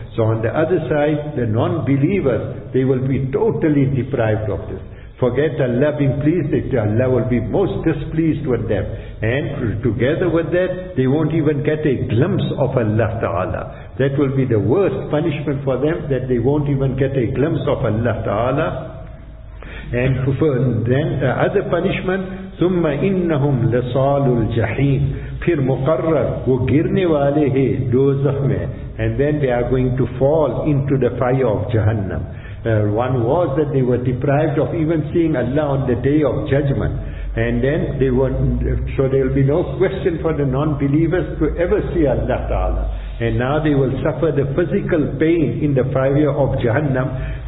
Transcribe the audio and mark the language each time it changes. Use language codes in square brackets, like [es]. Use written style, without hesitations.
[en] So on the other side, the non-believers, they will be totally deprived of this. Forget Allah being pleased, Allah will be most displeased with them. And together with that, they won't even get a glimpse of Allah Ta'ala. That will be the worst punishment for them, that they won't even get a glimpse of Allah Ta'ala. And then other punishment, [ar] ثُمَّ إِنَّهُمْ لَصَالُ الْجَحِيمِ [ur] پھر مقرر وہ گرنے والے ہیں دوزخ میں. [en] And then they are going to fall into the fire of Jahannam. One was that they were deprived of even seeing Allah on the day of judgment. And then they were, so there will be no question for the non-believers to ever see Allah Ta'ala. And now they will suffer the physical pain in the fire of Jahannam.